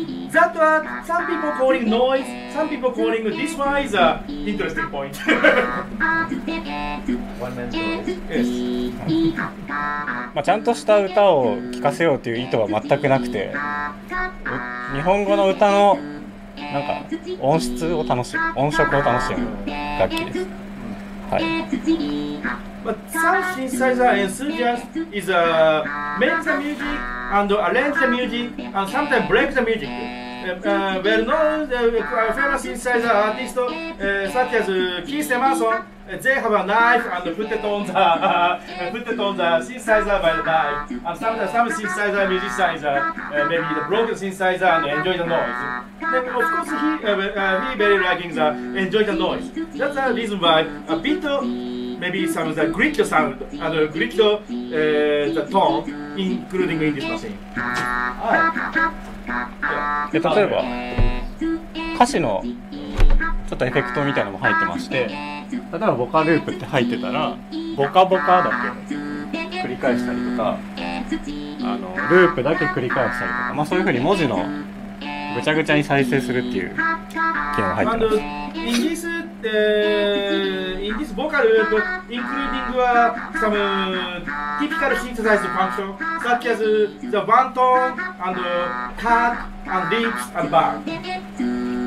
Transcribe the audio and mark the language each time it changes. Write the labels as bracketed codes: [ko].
[en] That one, some people calling noise, some people calling this one is a interesting point. One man's [ja] まあ、ちゃんとした歌を聴かせようという意図は全くなくて日本語の歌のなんか音質を楽しむ、音色を楽しむ楽器です、はい、 [en] But some synthesizer enthusiast is make the music and arrange the music and sometimes break the music well known famous synthesizer artists such as Keith Emerson. They have a knife and put it on the synthesizer by the knife. And some synthesizer musicians, maybe the broken synthesizer, and enjoy the noise. Then of course he very liking the enjoy the noise. That's the reason why a bit of maybe some of the glitch sound and glitch the tone, including in this machine. Yeah. [ja] 例えば歌詞のちょっとエフェクトみたいなのも入ってまして、例えばボカループって入ってたらボカボカだけ繰り返したりとか、あのループだけ繰り返したりとか、まあ、そういう風に文字のぐちゃぐちゃに再生するっていう機能が入ってます。 [en] And in this, in this vocal loop, including some typical synthesized function such as the one tone and cut and leaps and bar.